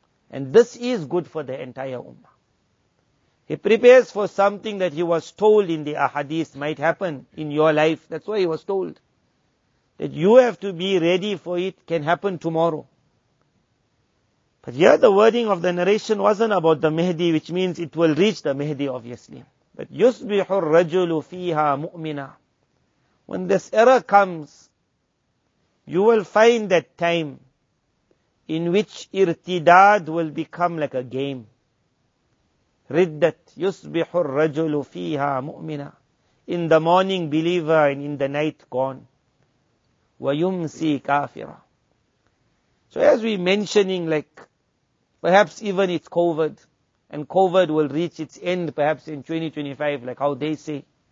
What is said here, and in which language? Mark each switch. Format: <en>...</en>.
<en>And this is good for the entire Ummah. He prepares for something that he was told in the ahadith might happen in your life. That's why he was told. That you have to be ready for it can happen tomorrow. But here the wording of the narration wasn't about the Mahdi, which means it will reach the Mahdi, obviously.</en> <ar>But يُصْبِحُ الرَّجُلُ فِيهَا مُؤْمِنًا.</ar> <en>When this era comes, you will find that time in which irtidad will become like a game.</en> <ar>Riddat يُصْبِحُ الرَّجُلُ فِيهَا مُؤْمِنًا.</ar> <en>In the morning, believer, and in the night, gone.</en> <ar>وَيُمْسِي كَافِرًا.</ar> <en>So as we mentioning, like, perhaps even it's COVID, and COVID will reach its end, perhaps in 2025, like how they say.</en>